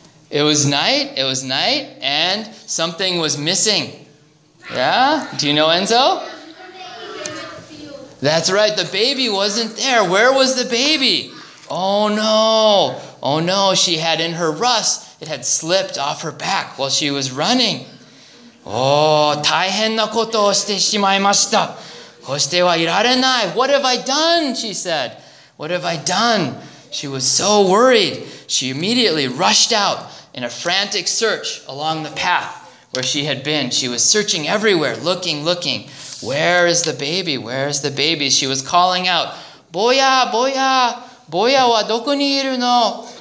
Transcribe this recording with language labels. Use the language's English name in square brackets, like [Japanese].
[English] It was night, and something was missing. Yeah? Do you know, Enzo? That's right, the baby wasn't there. Where was the baby? Oh no, she had in her rust, it had slipped off her back while she was running. [Japanese] Oh, 大変なことをしてしまいました. こうしてはいられない. [English] What have I done? She said. What have I done? She was so worried. She immediately rushed out in a frantic search along the path where she had been. She was searching everywhere, looking. Where is the baby? Where is the baby? She was calling out, [Japanese] Boya, Boya, Boya wa doko ni iru no?